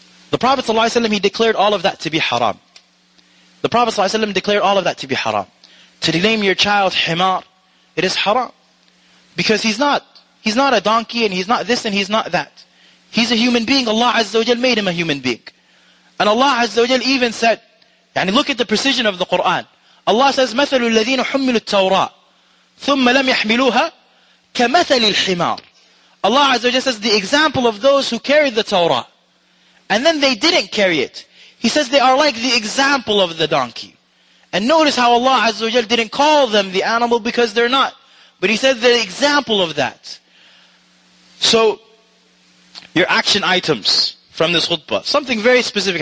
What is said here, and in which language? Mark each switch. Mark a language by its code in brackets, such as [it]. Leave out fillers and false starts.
[en] The Prophet ﷺ, he declared all of that to be haram. The Prophet ﷺ declared all of that to be haram. To name your child Himar, it is haram. Because he's not a donkey, and he's not this and he's not that. He's a human being. Allah Azza wa Jal made him a human being. And Allah Azza wa Jal even said, and look at the precision of the Quran. Allah says, [ar] مَثَلُ الَّذِينَ حُمِّلُوا التَّوْرَاءِ ثُمَّ لَمْ يَحْمِلُوهَا كَمَثَلِ الْحِمَارِ. [en] Allah Azza wa Jal says, the example of those who carried the Torah, and then they didn't carry it. He says they are like the example of the donkey. And notice how Allah Azza wa Jal didn't call them the animal, because they're not. But He said the example of that. So, your action items from this khutbah. Something very specific.